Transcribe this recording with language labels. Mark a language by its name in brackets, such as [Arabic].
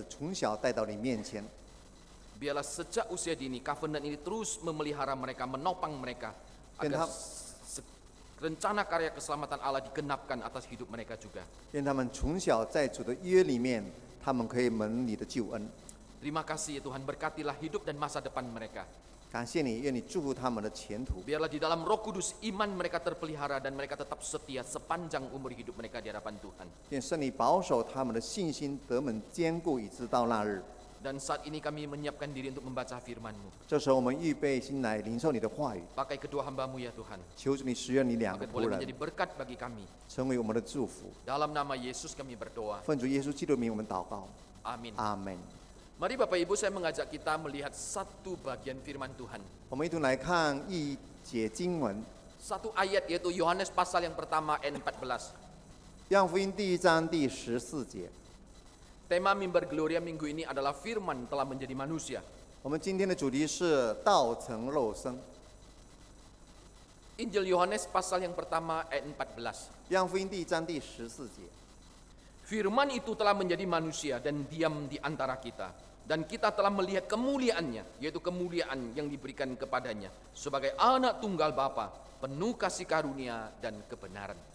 [Chinese] 神的天父，我们向你感恩，看到这些做父母的愿意把他们的孩子从小带到你面前。 [Indonesian] Biarlah sejak usia dini covenant ini terus memelihara mereka, menopang mereka agar rencana karya keselamatan Allah digenapkan atas hidup mereka juga. [Chinese] 愿他们从小在主的约里面，他们可以蒙你的救恩。 [Indonesian] Terima kasih ya Tuhan, berkatilah hidup dan masa depan mereka. [Chinese] 感谢你，愿你祝福他们的前途。 [Indonesian] Biarlah di dalam Roh Kudus iman mereka terpelihara dan mereka tetap setia sepanjang umur hidup mereka di hadapan Tuhan. [Chinese] 愿圣灵保守他们的信心得蒙坚固，以致到那日。 [Indonesian] Dan saat ini kami menyiapkan diri untuk membaca firman-Mu. [Chinese] 这时候我们预备心来领受你的话语。 [Indonesian] Pakai kedua hamba-Mu ya Tuhan. [Chinese] 求主你使用你两个仆人。 [Indonesian] Agar boleh menjadi berkat bagi kami. [Chinese] 成为我们的祝福。 [Indonesian] Dalam nama Yesus kami berdoa. [Chinese] 奉主耶稣基督名我们祷告。 [Indonesian] Amin. Amin. Mari Bapak Ibu, saya mengajak kita melihat satu bagian firman Tuhan. [Chinese] 我们一同来看一节经文。 [Indonesian] Satu ayat yaitu Yohanes pasal yang pertama ayat 14. [Chinese] 约翰福音第一章第14节。 [Indonesian] Tema mimbar Gloria minggu ini adalah Firman telah menjadi manusia. [Chinese] 我们今天的主题是道成肉身。 [Indonesian] Injil Yohanes pasal yang pertama ayat 14. [Chinese] 约翰福音第一章第14节。 [Indonesian] Firman itu telah menjadi manusia dan diam di antara kita, dan kita telah melihat kemuliaannya, yaitu kemuliaan yang diberikan kepadanya sebagai anak tunggal Bapa, penuh kasih karunia dan kebenaran.